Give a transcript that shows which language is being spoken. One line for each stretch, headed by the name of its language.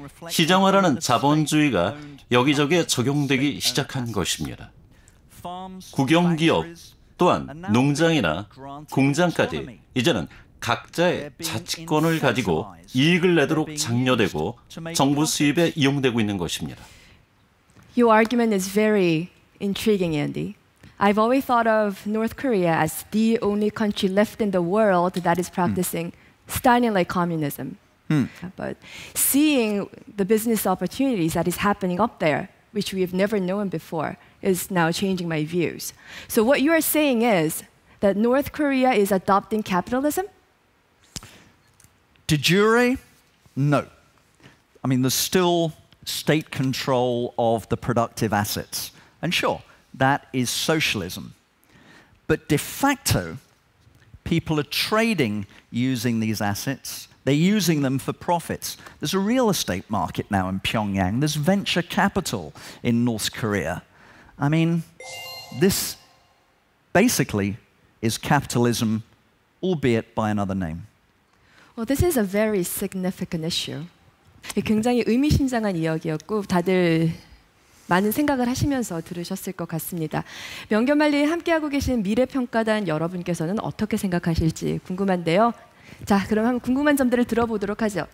Korean: 시장화라는 자본주의가 여기저기에 적용되기 시작한 것입니다. 국영기업 또한 농장이나 공장까지 이제는 각자의 자치권을 가지고 이익을 내도록 장려되고 정부 수입에 이용되고 있는 것입니다.
English: Your argument is very intriguing, Andy. I've always thought of North Korea as the only country left in the world that is practicing Stalin-like communism. But seeing the business opportunities that is happening up there, which we have never known before, is now changing my views. So what you are saying is that North Korea is adopting capitalism? De jure, no. I mean, there's still state control of the productive assets. And sure, that is socialism. But de facto, people are trading using these assets. They're using them for profits. There's a real estate market now in Pyongyang. There's venture capital in North Korea. I mean, this basically is capitalism, albeit by another name. Well, this is a very significant issue.
Korean: 굉장히 의미심장한 이야기였고 다들 많은 생각을 하시면서 들으셨을 것 같습니다. 명견말리 함께하고 계신 미래평가단 여러분께서는 어떻게 생각하실지 궁금한데요. 자, 그럼 한번 궁금한 점들을 들어보도록 하죠.